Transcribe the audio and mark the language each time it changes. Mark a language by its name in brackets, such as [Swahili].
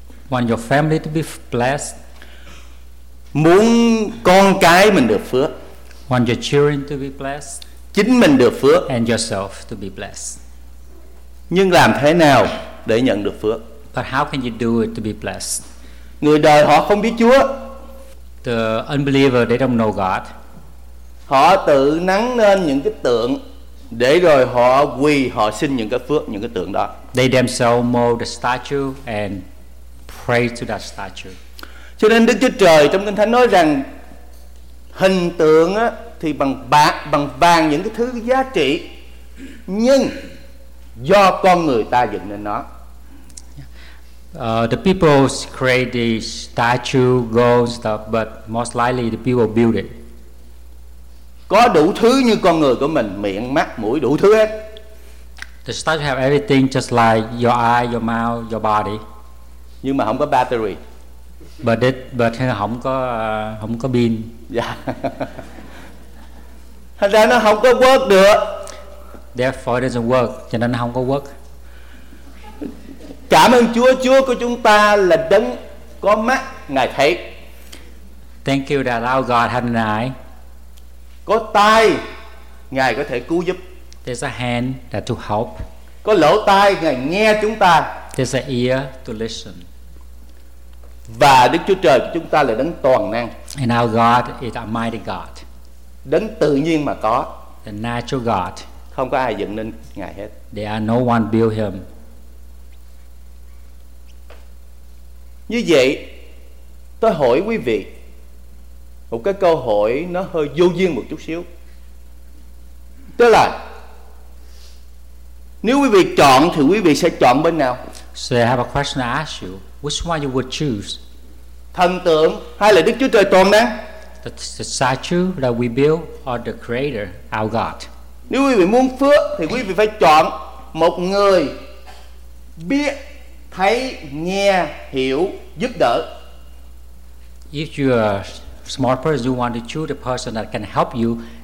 [English] Want your family to be blessed. [Vietnamese] Muốn con cái mình được phước. [English] Want your children to be blessed. [Vietnamese] Chính mình được phước. [English] And yourself to be blessed. [Vietnamese] Nhưng làm thế nào để nhận được phước? [English] But how can you do it to be blessed? [Vietnamese] Người đời họ không biết Chúa. [English] The unbeliever, they don't know God. [Vietnamese] Họ tự nắng lên những cái tượng. để rồi họ quỳ, họ xin những cái phước, những cái tượng đó. [English] They themselves mold the statue and pray to that statue. [Vietnamese] Cho nên Đức Chúa Trời trong Kinh Thánh nói rằng hình tượng á thì bằng bạc, bằng vàng, những cái thứ giá trị, nhưng do con người ta dựng nên nó. [English] The people create the statue, gold stuff, but most likely the people build it. [Vietnamese] Có đủ thứ như con người của mình, miệng, mắt, mũi, đủ thứ hết. [English] The statue have everything just like your eye, your mouth, your body. [Vietnamese] Nhưng mà không có battery. But nó không có không có pin. Dạ. Thành ra nó không có work được. [English] Therefore it doesn't work. [Vietnamese] Cho nên nó không có work. Cảm ơn Chúa, Chúa của chúng ta là đấng có mắt, Ngài thấy. [English] Thank you that our God has an eye. [Vietnamese] Có tai, Ngài có thể cứu giúp. [English] There's a hand that to help. [Vietnamese] Có lỗ tai, Ngài nghe chúng ta. [English] There's a ear to listen. [Vietnamese] Và Đức Chúa Trời của chúng ta là đấng toàn năng. [English] And our God is a mighty God. [Vietnamese] Đấng tự nhiên mà có. [English] The natural God. [Vietnamese] Không có ai dựng nên Ngài hết. [English] There are no one build him. [Vietnamese] Như vậy, tôi hỏi quý vị một cái câu hỏi nó hơi vô duyên một chút xíu. Tức là nếu quý vị chọn thì quý vị sẽ chọn bên nào? [English] So I have a question to ask you. Which one you would choose? [Vietnamese] Thần tượng hay là Đức Chúa Trời toàn năng? [English] The statue that we build or the creator, our God. [Vietnamese] Nếu quý vị muốn phước thì quý vị phải chọn một người biết, thấy, nghe, hiểu, giúp đỡ. [English] If you are smart person, you want to choose the person that can help you.